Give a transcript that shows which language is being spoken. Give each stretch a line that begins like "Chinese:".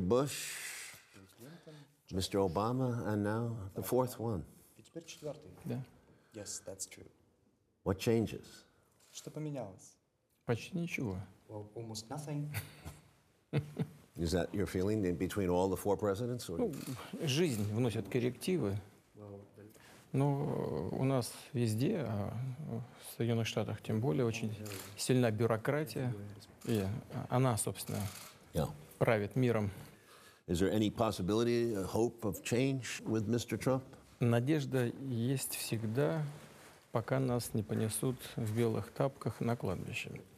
English: Bush, Mr. Obama, and now the fourth one. Yeah. Yes, that's true. What changes?
Russian: Что поменялось? Почти ничего.
English: Well, almost nothing. Is that your feeling in between all the four presidents?
Russian: Ну, жизнь вносит коррективы. Но у нас везде, а в Соединенных Штатах тем более, очень сильна бюрократия. И она, собственно, правит миром.
English: Is there any possibility, hope of change with Mr. Trump?
Russian: Надежда есть всегда, пока нас не понесут в белых тапках на кладбище.